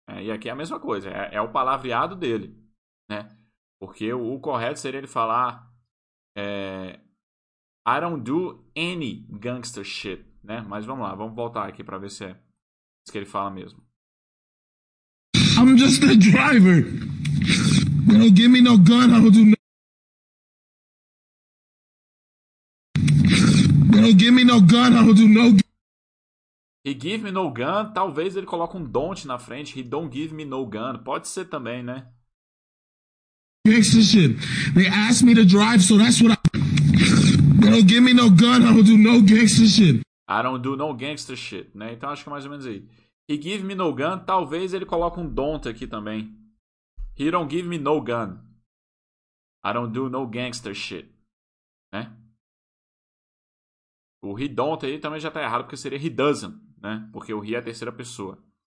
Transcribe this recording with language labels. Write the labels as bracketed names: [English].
[Portuguese] E aqui é a mesma coisa, é o palavreado dele, né? Porque o correto seria ele falar [English] I don't do any gangster shit, [Portuguese] né? Mas vamos lá, vamos voltar aqui pra ver se é que ele fala mesmo. [English] I'm just a driver. Don't give me no gun, I don't do no... Don't give me no gun, I don't do no... He give me no gun, [Portuguese] talvez ele coloque um don't na frente. [English] He don't give me no gun. [Portuguese] Pode ser também, né? [English] Gangster shit. They asked me to drive, so that's what I... They don't give me no gun, I don't do no gangster shit. I don't do no gangster shit, né? [Portuguese] Então acho que é mais ou menos aí. [English] He give me no gun, [Portuguese] talvez ele coloque um don't aqui também. [English] He don't give me no gun. I don't do no gangster shit, né? [Portuguese] O he don't aí também já tá errado, porque seria he doesn't, né? Porque o he é a terceira pessoa.